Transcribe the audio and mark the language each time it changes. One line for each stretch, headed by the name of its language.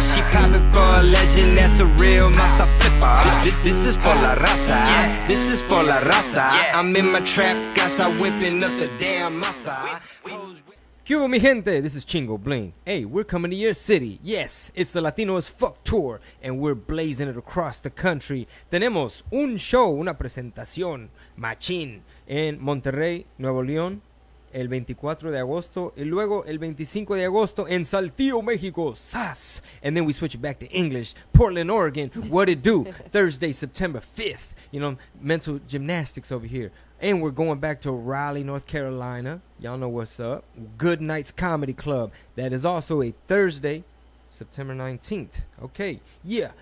English: She poppin' for a legend, that's a real massa flipper. This is for la raza, this is for la raza. I'm in my trap, guys, I'm whippin' up the damn massa.
Spanish: ¿Qué hubo, mi gente?
English: This is Chingo, Bling. Hey, we're coming to your city. Yes, it's the Latino as Fuck Tour, and we're blazing it across the country.
Spanish: Tenemos un show, una presentación, machín, en Monterrey, Nuevo León, el 24 de agosto, y luego el 25 de agosto en Saltillo, México, ¡sas!
English: And then we switch back to English, Portland, Oregon, what it do, Thursday, September 5th. You know, mental gymnastics over here. And we're going back to Raleigh, North Carolina. Y'all know what's up. Good Nights Comedy Club. That is also a Thursday, September 19th. Okay, yeah.